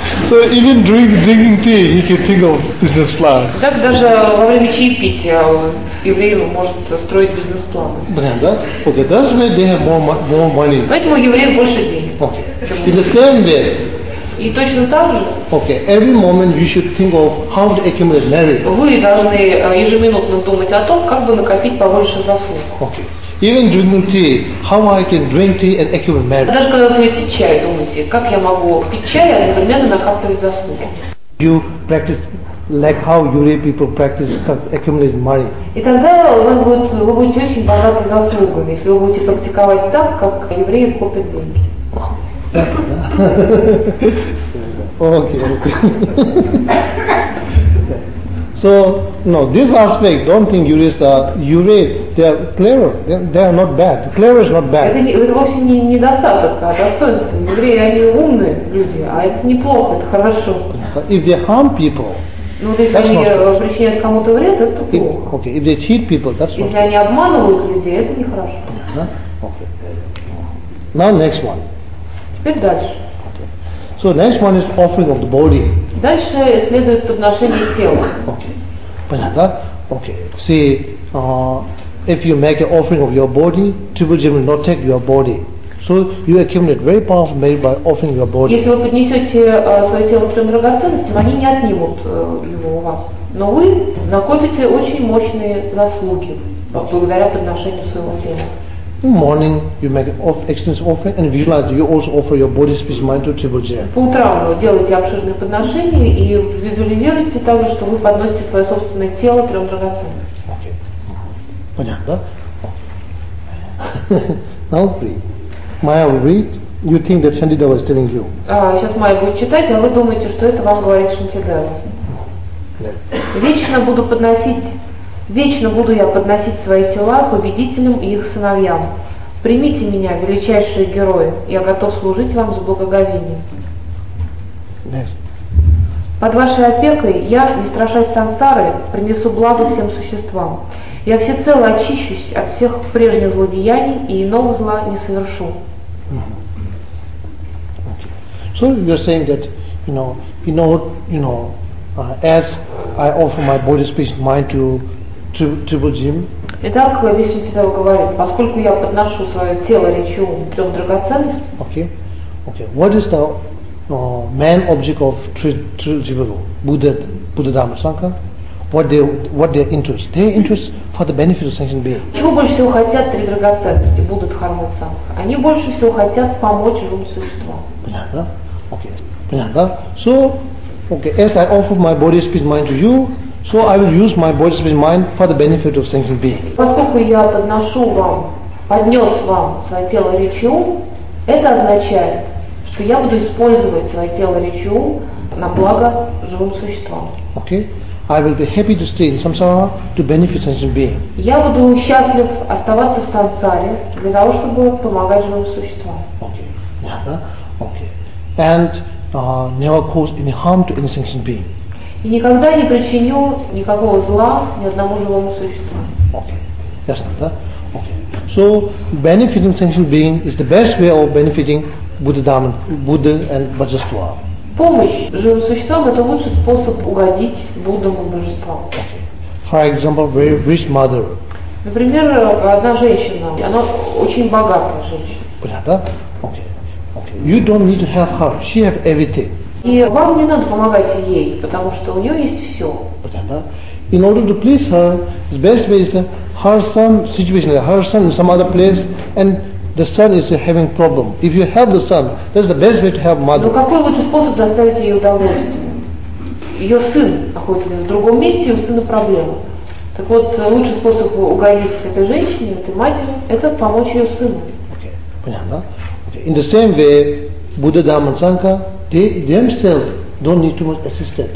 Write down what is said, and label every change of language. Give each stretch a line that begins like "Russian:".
English: So even drinking tea, he can think of business plan.
Russian: Так даже во время чаепития Еврей может строить бизнес-планы.
English: Да? Okay, that's why they have more money.
Russian: Поэтому евреи больше денег.
English: Okay. In the same way.
Russian: И точно так же.
English: Okay. Every moment you should think of how to accumulate merit.
Russian: Вы должны ежеминутно думать о том, как бы накопить побольше заслуг.
English: Okay. Even drinking tea, how I can drink tea and accumulate merit.
Russian: Даже когда вы пьете чай, думайте, как я могу пить чай, а непременно накапливать заслуги.
English: You practice like how Yuri people practice accumulate money.
Russian: И тогда вы будете очень богаты заслугами, если вы будете практиковать так, как евреи копят деньги.
English: Okay. So, no, this aspect, don't think Yuris are Yuri, they are clever, they are not bad. Clever is not bad.
Russian: Это вовсе не недостаток, а достоинство. Евреи, они умные люди, а это неплохо, это хорошо.
English: But if they harm people,
Russian: ну, вот если они причиняют кому-то вред, это плохо.
English: Okay. If they cheat people, that's
Russian: если они обманывают людей, это нехорошо.
English: Okay. Now next one.
Russian: Теперь дальше.
English: So next one is offering of the body.
Russian: Дальше следует подношение тела.
English: Okay.
Russian: Понятно, да?
English: Okay. See, if you make an offering of your body, Triple G will not take your body. So you accumulate very powerful merit by offering your body.
Russian: Если вы поднесете свое тело трем драгоценностям, они не отнимут его у вас. Но вы накопите очень мощные заслуги благодаря подношению своего тела.
English: In morning, you make extensive offering, and visualize you also offer your body, spirit, mind to Triple G.
Russian: По утрам вы делаете обширные подношения и визуализируете также, что вы подносите свое собственное тело трем драгоценностям. Okay. Понятно, да?
English: Now three. Maya will read. You think that Shantideva is telling you?
Russian: Сейчас Майя будет читать, а вы думаете, что это вам говорит Шантидева? Вечно буду я подносить свои тела победителям и их сыновьям. Примите меня, величайшие герои, я готов служить вам с благоговением.
English: Yes.
Russian: Под вашей опекой я, не страшась сансары, принесу благо всем существам. Я всецело очищусь от всех прежних злодеяний и иного зла не совершу.
English: So you're saying that, you know, as I offer my body, spirit, mind to Triple G.
Russian: Итак, здесь Шантидева говорит, поскольку я подношу свое тело, речь и ум трем драгоценностям.
English: Okay. Okay. What is the main object of Trijivago, Buddha Dhamma Sangha, what their interest? Their interest for the benefit of sentient beings.
Russian: Чего больше всего хотят три драгоценности, Будда, Дхарма, Сангха? Они больше всего хотят помочь живым существам.
English: Понятно? Okay. Понятно? So, okay, as I offer my body, speech, mind to you, so I will use my body, speech, mind for the benefit of sentient beings.
Russian: Поскольку я поднес вам свое тело, речь и ум, это означает, что я буду использовать свое тело, речь и ум на благо живым существам.
English: Okay. I will be happy to stay in samsara to benefit sentient being.
Russian: Я буду счастлив оставаться в сансаре для того, чтобы помогать живым существам.
English: Okay. Yeah. Okay. And never cause any harm to any sentient being.
Russian: И никогда не причиню никакого зла ни одному живому существу.
English: Okay. Yes, not that. Okay. So benefiting sentient being is the best way of benefiting Buddha and Bodhisattva.
Russian: Помощь живым существам – это лучший способ угодить Буддам и Божествам.
English: For example, very rich mother.
Russian: Например, одна женщина, она очень богатая женщина.
English: Понятно? Okay. Okay. You don't need to help her. She has everything.
Russian: И вам не надо помогать ей, потому что у нее есть все. Понятно?
English: In order to please her, the best way is her son situation, her son in some other place, and the son is having problem. If you help the son, that's the best way to help mother.
Russian: Но какой лучший способ доставить ей удовольствие? Ее сын находится в другом месте, и у сына проблема. Так вот, лучший способ угодить этой женщине, этой матери, это помочь ее сыну.
English: Okay. Понятно? Okay. In the same way, Buddha, Dhamma, Sangha, they themselves don't need too much assistance.